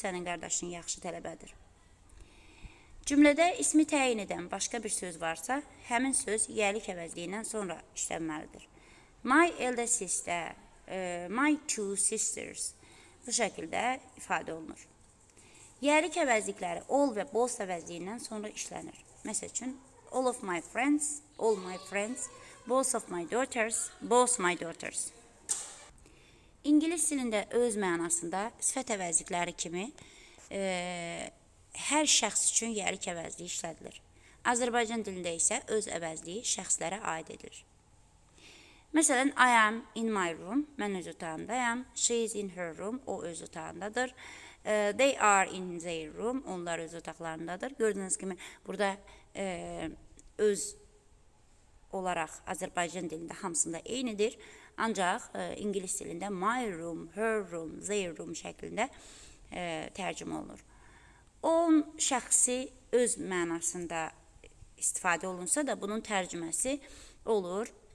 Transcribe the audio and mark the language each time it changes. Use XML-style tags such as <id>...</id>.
<az>Sənin qardaşın yaxşı tələbədir. Cümlədə ismi təyin edən başqa bir söz varsa, həmin söz yerlik əvəzliyindən sonra işlənməlidir.</az> <en>My elder sister, my two sisters</en> <az>bu şəkildə ifadə olunur. Yerlik əvəzlikləri all və both əvəzliyindən sonra işlənir. Məsəl üçün,</az> <en>all of my friends, all my friends, both of my daughters, both my daughters.</en> <az>İngilis dilində öz mənasında sifət əvəzlikləri kimi hər şəxs üçün yerlik əvəzliyi işlədilir. Azərbaycan dilində isə öz əvəzliyi şəxslərə aid edilir.</az> <en>Məsələn, I am in my room,</en> <az>mən öz otağımdayam.</az> <en>She is in her room,</en> <az>o öz otağındadır.</az> <en>They are in their room,</en> <az>onlar öz otaqlarındadır. Gördüyünüz kimi burada öz olaraq Azərbaycan dilində hamısında eynidir. Ancaq ingilis dilində</az> <en>my room, her room, their room</en> <az>şəklində tərcümə olunur. On şəxsi öz mənasında istifadə olunsa da bunun tərcüməsi olur.</az>